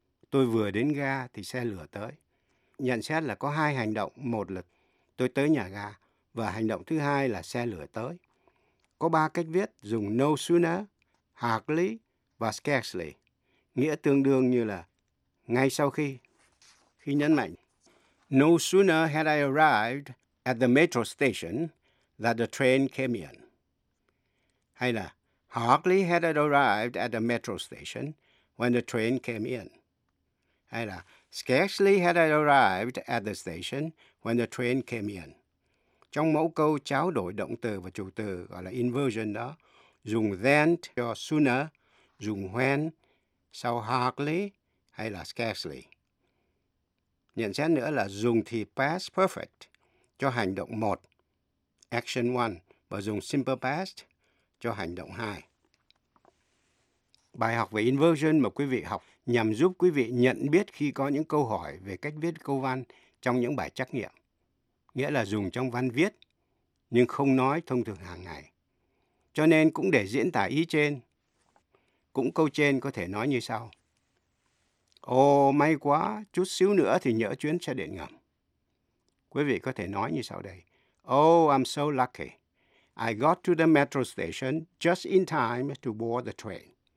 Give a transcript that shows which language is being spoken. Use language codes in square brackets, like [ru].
[vi] Tôi vừa đến ga thì xe lửa tới. Nhận xét là có hai hành động, một là tôi tới nhà ga, và hành động thứ hai là xe lửa tới. Có ba cách viết dùng no sooner, hardly và scarcely, nghĩa tương đương như là ngay sau khi. Khi nhấn mạnh, [en] no sooner had I arrived at the metro station that the train came in. [vi] Hay là [en] hardly had I arrived at the metro station when the train came in. [vi] Hay là [en] scarcely had I arrived at the station when the train came in. [vi] Trong mẫu câu trao đổi động từ và chủ từ gọi là inversion đó, dùng then cho sooner, dùng when sau hardly hay là scarcely. Nhận xét nữa là dùng thì past perfect cho hành động 1, action 1, và dùng simple past cho hành động 2. Bài học về inversion mà quý vị học nhằm giúp quý vị nhận biết khi có những câu hỏi về cách viết câu văn trong những bài trắc nghiệm. Nghĩa là dùng trong văn viết, nhưng không nói thông thường hàng ngày. Cho nên cũng để diễn tả ý trên, cũng câu trên có thể nói như sau. Ồ, may quá, chút xíu nữa thì nhỡ chuyến xe điện ngầm. Quý vị có thể nói như sau đây. [en] Oh, I'm so lucky. I got to the metro station just in time to board the train.